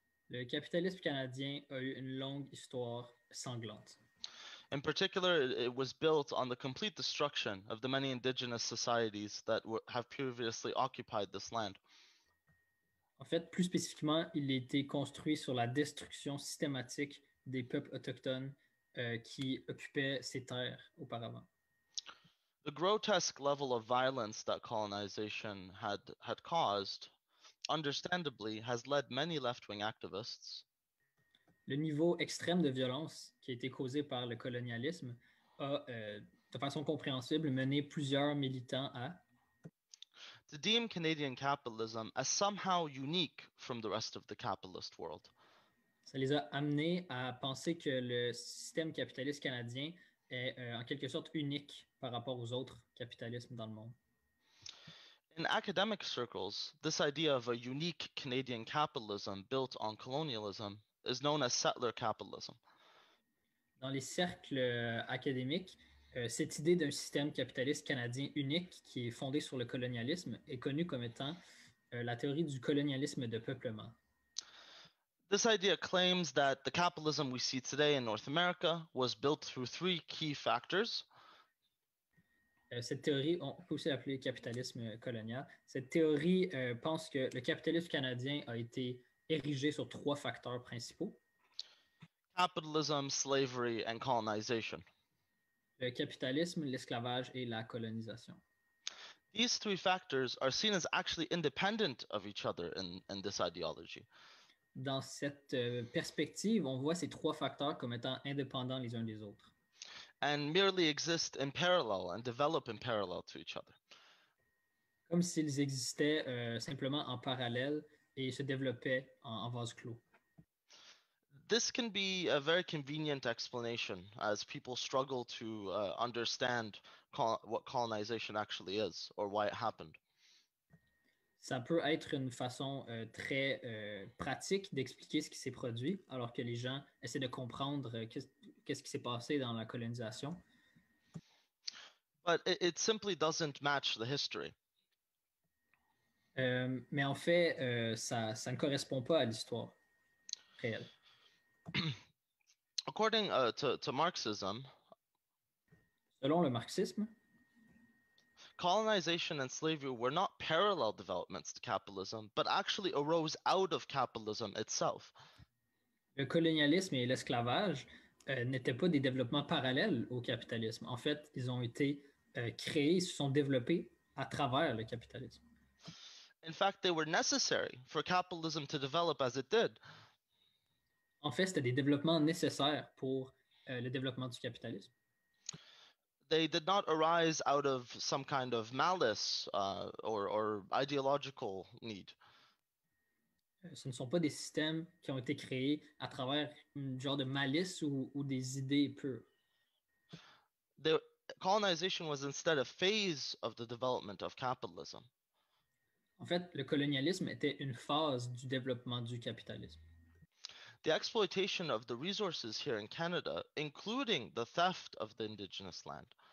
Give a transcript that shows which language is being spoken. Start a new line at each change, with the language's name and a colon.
French: Le capitalisme canadien a eu une longue histoire sanglante.
English: In particular, it was built on the complete destruction of the many indigenous societies that have previously occupied this land.
French: En fait, plus spécifiquement, il a été construit sur la destruction systématique des peuples autochtones qui occupaient ces terres auparavant.
English: The grotesque level of violence that colonization had caused, understandably, has led many left-wing activists.
French: Le niveau extrême de violence qui a été causé par le colonialisme a, de façon compréhensible, mené plusieurs militants à
English: to deem Canadian capitalism as somehow unique from the rest of the capitalist world.
French: Ça les a amenés à penser que le système capitaliste canadien est en quelque sorte unique par rapport aux autres capitalismes dans le monde.
English: In academic circles, this idea of a unique Canadian capitalism built on colonialism is known as settler capitalism.
French: Dans les cercles académiques, cette idée d'un système capitaliste canadien unique qui est fondé sur le colonialisme est connue comme étant la théorie du colonialisme de peuplement.
English: This idea claims that the capitalism we see today in North America was built through three key factors.
French: Cette théorie, on peut aussi l'appeler capitalisme colonial. Cette théorie pense que le capitalisme canadien a été érigé sur trois facteurs principaux.
English: Capitalism, slavery, and colonization.
French: Le capitalisme, l'esclavage et la colonisation.
English: These three factors are seen as actually independent of each other in this ideology.
French: Dans cette perspective, on voit ces trois facteurs comme étant indépendants les uns des autres.
English: And merely exist in parallel and develop in parallel to each other.
French: Comme s'ils existaient simplement en parallèle et se développaient en vase clos.
English: This can be a very convenient explanation as people struggle to understand what colonization actually is or why it happened.
French: Ça peut être une façon très pratique d'expliquer ce qui s'est produit alors que les gens essaient de comprendre qu'est-ce qui s'est passé dans la colonisation.
English: But it simply doesn't match the history.
French: Mais en fait, ça ne correspond pas à l'histoire réelle.
English: According to Marxism,
French: selon le marxisme,
English: colonization and slavery were not parallel developments to capitalism, but actually arose out of capitalism itself.
French: Le colonialisme et l'esclavage n'étaient pas des développements parallèles au capitalisme. En fait, ils ont été créés, se sont développés à travers le capitalisme.
English: In fact, they were necessary for capitalism to develop as it did.
French: En fait, c'était des développements nécessaires pour le développement du capitalisme.
English: They did not arise out of some kind of malice or ideological need.
French: Ce ne sont pas des systèmes qui ont été créés à travers une genre de malice ou des idées pures.
English: The colonization was instead a phase of the development of capitalism.
French: En fait, le colonialisme était une phase du développement du capitalisme.
English: The exploitation of the resources here in Canada, including the theft of the indigenous land.